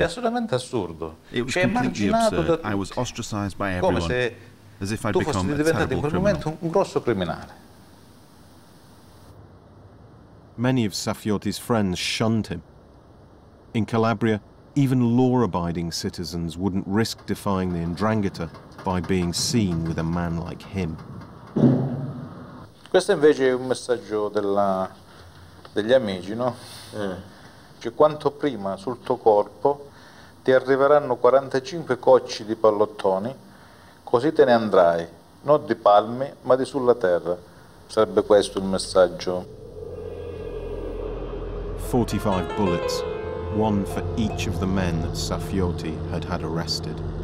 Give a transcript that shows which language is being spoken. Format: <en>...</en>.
<en>It was completely absurd. I was ostracized by everyone, as if I'd become a terrible criminal. Many of Saffiotti's friends shunned him. In Calabria, even law-abiding citizens wouldn't risk defying the Ndrangheta by being seen with a man like him.</en> <it>Questo invece è un messaggio degli amici, no? Cioè, quanto prima sul tuo corpo ti arriveranno 45 cocci di pallottoni, così te ne andrai, non di palme, ma di sulla terra. Sarebbe questo il messaggio.</it> <en>45 bullets, one for each of the men that Safiotti had had arrested.</en>